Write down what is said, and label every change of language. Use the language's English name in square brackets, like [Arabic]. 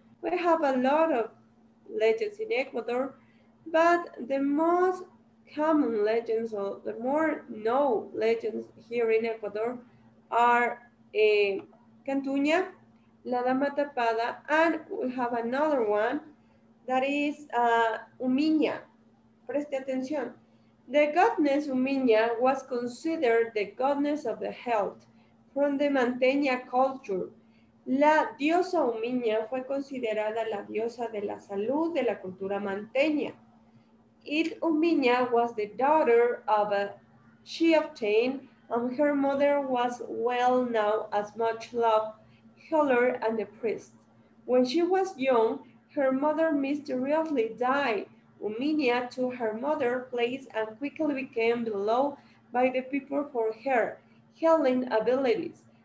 [English] We have a lot of legends in Ecuador, but the most common legends or the more known legends here in Ecuador are Cantuña, La Dama Tapada, and we have another one that is Umiña. [Spanish] Preste atención. [English] The goddess Umiña was considered the goddess of the health from the Manteña culture. [Spanish] La diosa Umiña fue considerada la diosa de la salud de la cultura Manteña. [English] It Umiña was the daughter of a chieftain, and her mother was well known as much loved healer and the priest. When she was young, her mother mysteriously died. Umiña took her mother's place and quickly became beloved by the people for her healing abilities.